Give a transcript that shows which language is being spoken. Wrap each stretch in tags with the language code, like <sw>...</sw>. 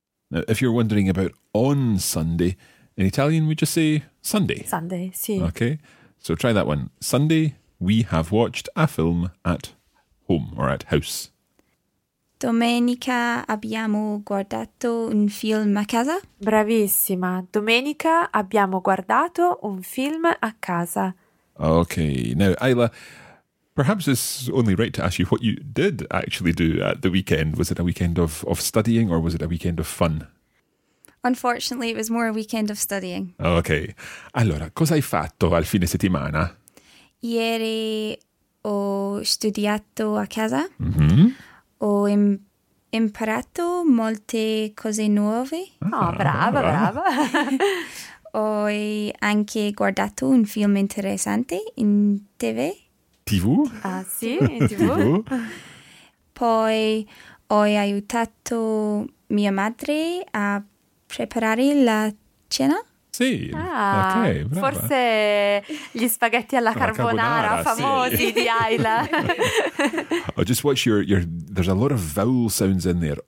<en>Now, if you're wondering about on Sunday, in Italian we just say Sunday. Sunday, sì. Okay. So try that one. Sunday, we have watched a film at home or at house.</en> <it>Domenica abbiamo guardato un film a casa. Bravissima, domenica abbiamo guardato un film a casa.</it> <en>Okay, now Ayla, perhaps it's only right to ask you what you did actually do at the weekend. Was it a weekend of studying or was it a weekend of fun? Unfortunately, it was more a weekend of studying.</en> <it>Okay, allora, cosa hai fatto al fine settimana? Ieri ho studiato a casa. Ho imparato molte cose nuove. Oh, Ah, brava, brava. brava. Ho anche guardato un film interessante in TV. TV? Ah, sì, in TV? TV. Poi ho aiutato mia madre a preparare la cena. Sì, ok, Ah, brava. forse gli spaghetti alla Alla carbonara carbonara, sì. famosi di Ayla.</it> <en>Oh, just watch your. There's a lot of vowel sounds in there.</en>